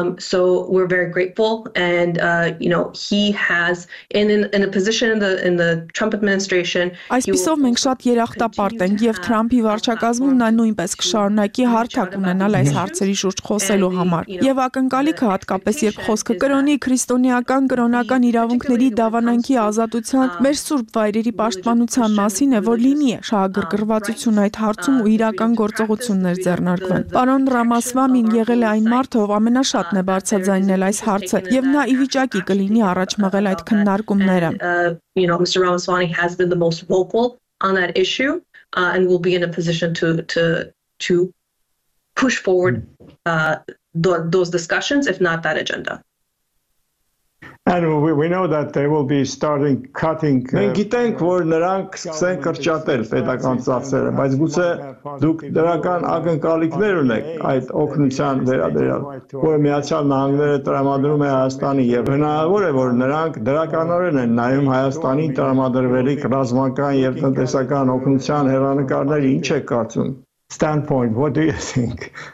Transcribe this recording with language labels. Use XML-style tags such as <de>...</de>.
<en>So we're very grateful, and you know, he has in a position in the Trump administration.</en> <hy>Այսպիսով մենք շատ երախտապարտ ենք, եւ Թրամփի վարչակազմում նա նույնպես կշարունակի հարթակ ունենալ այս հարցերի շուրջ խոսելու համար։ Եվ ակնկալիքը հատկապես երբ խոսքը կրոնի քրիստոնեական կրոնական իրավունքների դավանանքի ազատության, մեր սուրբ վայրերի պաշտպանության մասին է, որ լինի շահագրգռվածություն այդ հարցում ու իրական գործողություններ ձեռնարկվեն։ Պարոն Ռամասվամին եղել է այն մարդը, ով ամենաշատն է բարձրաձայնել այս հարցը, եւ նա ի վիճակի կլինի առաջ մղել այդ քննարկումները։</hy> <en>You know, Mr. Ramaswamy has been the most vocal on that issue and will be in a position to push forward those discussions, if not that agenda. And we know that they will be starting cutting.</en> <hy>Մենք գիտենք, որ նրանք սկսեն կրճատել պետական ծախսերը, բայց գուցե դուք դրական ակնկալիքներ ունեք այդ օգնության վերաբերյալ, որը Միացյալ Նահանգները տրամադրում է Հայաստանի, եւ հնարավոր է, որ նրանք դրականորեն են նայում Հայաստանի տրամադրվելիք ռազմական եւ տնտեսական օգնության հեռանկարները, ինչ է կարծում։</hy> <en>Standpoint, what do you think?</en>